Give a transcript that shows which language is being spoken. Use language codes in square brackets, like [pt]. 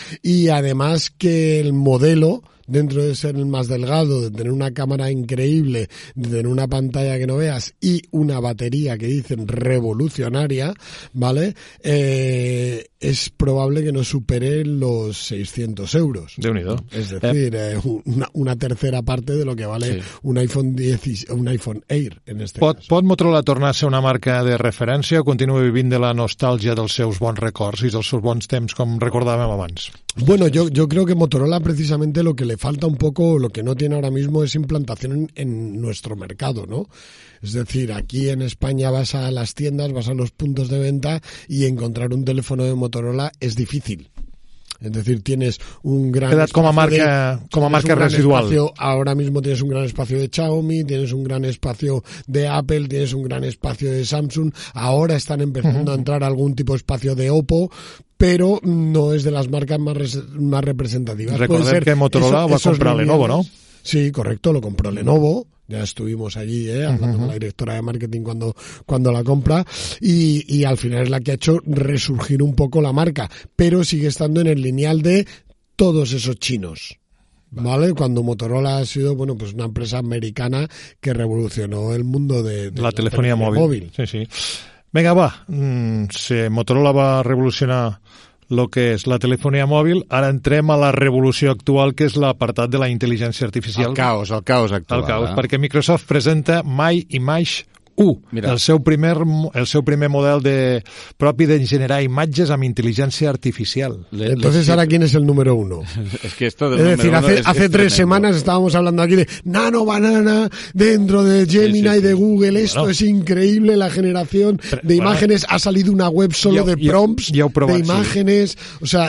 [es] Y además que el modelo... dentro de ser el más delgado, de tener una cámara increíble, de tener una pantalla que no veas y una batería que dicen revolucionaria, ¿vale? Es probable que no supere los 600 euros. De unido. Es decir, una tercera parte de lo que vale un iPhone Air en este caso. [ca] ¿Pot Motorola tornar-se una marca de referència o continua vivint de la nostàlgia dels seus bons records i dels seus bons temps, com recordàvem abans? [es] Bueno, yo creo que Motorola precisamente lo que le falta un poco, lo que no tiene ahora mismo es implantación en nuestro mercado, ¿no? Es decir, aquí en España vas a las tiendas, vas a los puntos de venta y encontrar un teléfono de Motorola es difícil. Es decir, tienes un gran... Quedad como marca, como marca residual. Espacio, ahora mismo tienes un gran espacio de Xiaomi, tienes un gran espacio de Apple, tienes un gran espacio de Samsung. Ahora están empezando a entrar algún tipo de espacio de Oppo, pero no es de las marcas más representativas. Recordar que Motorola va a comprar Lenovo, ¿no? Sí, correcto, lo compró Lenovo. Ya estuvimos allí, hablando con la directora de marketing cuando la compra. Y al final es la que ha hecho resurgir un poco la marca. Pero sigue estando en el lineal de todos esos chinos. ¿Vale? Cuando Motorola ha sido, bueno, pues una empresa americana que revolucionó el mundo de la telefonía móvil. Sí. Venga, va. Si Motorola va a revolucionar lo que [ca] és la telefonia mòbil, ara entrem a la revolució actual, que és l'apartat de la intel·ligència artificial. El caos actual. El caos, perquè Microsoft presenta My Image U, el seu primer model de propi de generar imatges amb intel·ligència artificial. [es] Entonces, ¿ahora quién es el número uno? Es que esto es decir, hace 3 semanas estábamos hablando aquí de Nano Banana dentro de Gemini y de Google. Esto es increíble, la generación de imágenes. Ha salido una web solo de prompts, de imágenes. O sea,